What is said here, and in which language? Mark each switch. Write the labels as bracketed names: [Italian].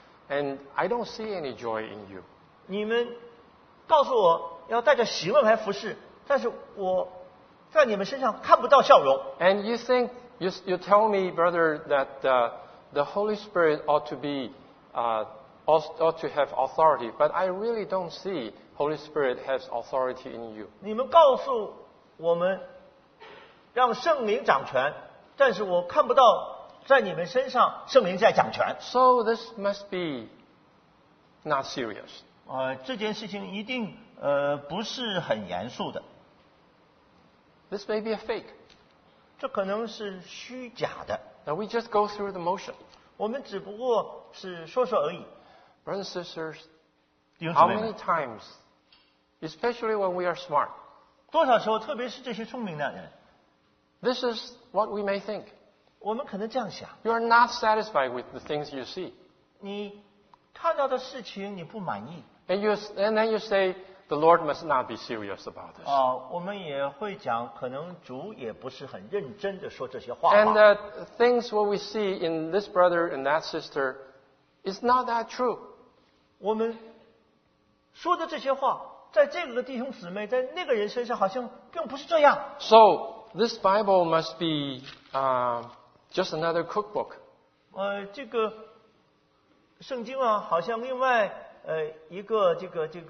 [English] And I don't see any joy in you. [Chinese] 你们告诉我要带着喜乐来服侍，但是我在你们身上看不到笑容。 [English] And you think you tell me, brother, that the Holy Spirit ought to be ought to have authority, but I really don't see Holy Spirit has authority in you. [Chinese] 你们告诉我们让圣灵掌权，但是我看不到。在你们身上，圣灵在掌权。 [English] So this must be not serious. [Chinese] 这件事情一定不是很严肃的。 [English] This may be a fake. [Chinese] 这可能是虚假的。 [English] Now we just go through the motion. [Chinese] 我们只不过是说说而已。 [English] Brothers and sisters, how many times, especially when we are smart, [Chinese] 多少时候，特别是这些聪明的人 [English] ，This is what we may think. [Chinese] 我们可能这样想。 [English] You are not satisfied with the things you see. [Chinese] 你看到的事情你不满意。 [English] And then you say the Lord must not be serious about this. [Chinese] 我们也会讲，可能主也不是很认真的说这些话。 [English] And things what we see in this brother and that sister is not that true. [Chinese] 我们说的这些话，在这个弟兄姊妹，在那个人身上，好像并不是这样。 [English] So this Bible must be just another cookbook. [Chinese] 这个圣经啊，好像另外一个这个